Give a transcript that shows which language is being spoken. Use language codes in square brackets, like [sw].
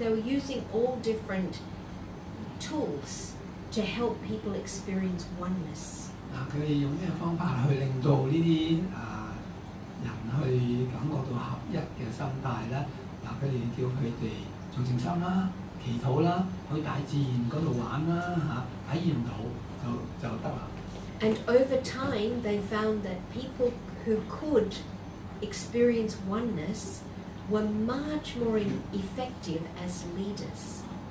[en] They were using all different tools to help people experience oneness. [zh] 他們用什麼方法去令到這些人去感覺到合一的心態呢？他們叫他們做靜心、祈禱、去大自然那裡玩、體驗到就行了。 [en] And over time, they found that people who could experience oneness were much more effective as leaders.